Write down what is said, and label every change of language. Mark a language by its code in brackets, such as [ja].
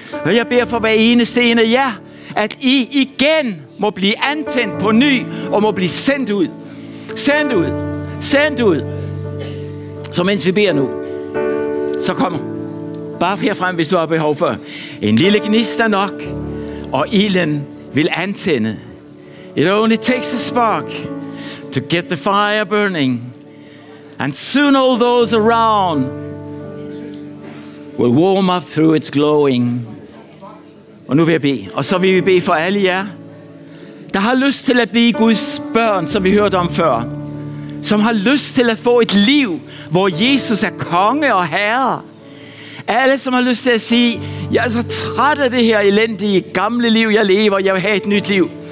[da] Og jeg beder for hver eneste ene af jer, at I igen må blive antændt på ny og må blive sendt ud. Sendt ud. Sendt ud. Så mens vi beder nu, så kom bare herfrem, hvis du har behov for. En lille gnist er nok, og ilden vil antænde. [en] It only takes a spark to get the fire burning. And soon all those around will warm up through its glowing. [da] Og nu vil jeg bede. Og så vil vi bede for alle jer, der har lyst til at blive Guds børn, som vi hørte om før. Som har lyst til at få et liv, hvor Jesus er konge og herre. Alle, som har lyst til at sige, jeg er så træt af det her elendige gamle liv, jeg lever. Jeg vil have et nyt liv.